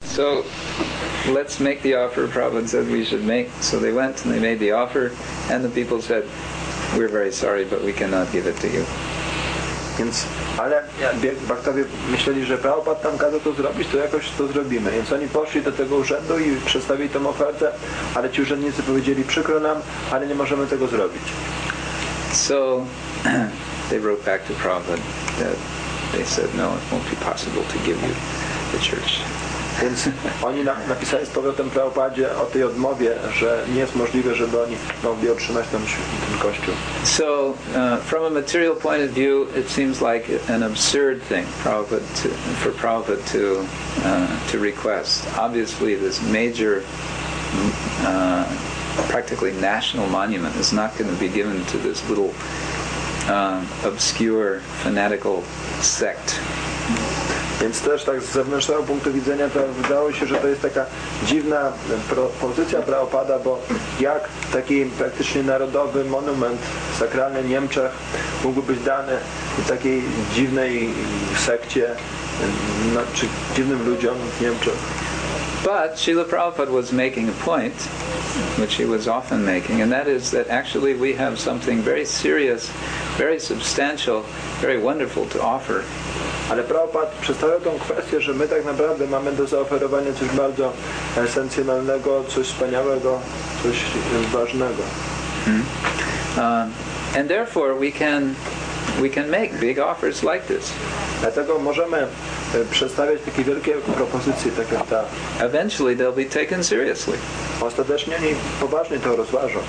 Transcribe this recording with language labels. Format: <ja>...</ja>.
<en>So let's make the offer, Prabhupada said we should make. So they went and they made the offer, and the people said, we're very sorry, but we cannot give it to you.</en> <pl>Więc, ale Bhaktowie myśleli, że Prabhupada tam kazał to zrobić, to jakoś to zrobimy. Więc oni poszli do tego urzędu i przedstawili tą ofertę, ale ci urzędnicy powiedzieli, przykro nam, ale nie możemy tego zrobić.</pl> <en>So they wrote back to Prabhupada that they said, no, it won't be possible to give you the church.</en> <pl>Więc oni napisali z powrotem Prabhupadzie o tej odmowie, że nie jest możliwe, żeby oni mogli otrzymać ten kościół.</pl> <en>So, from a material point of view, it seems like an absurd thing for Prabhupada to request. Obviously, this major, practically national monument is not going to be given to this little obscure fanatical sect.</en> <pl>Więc też tak z zewnętrznego punktu widzenia to wydało się, że to jest taka dziwna pozycja Prabhupada, bo jak taki praktycznie narodowy monument w sakralnym Niemczech mógłby być dany takiej dziwnej sekcie, czy dziwnym ludziom w Niemczech.</pl> <en>But Srila Prabhupada was making a point, which he was often making, and that is that actually we have something very serious, very substantial, very wonderful to offer.</en> <pl>Ale Prabhupada przedstawiał tą kwestię, że my tak naprawdę mamy do zaoferowania coś bardzo esencjonalnego, coś wspaniałego, coś ważnego.</pl> <en>And therefore we can make big offers like this.</en> <pl>Dlatego możemy przedstawiać takie wielkie propozycje, tak jak ta.</pl> <en>Eventually they'll be taken seriously.</en> <pl>Ostatecznie oni poważnie to rozważą.</pl>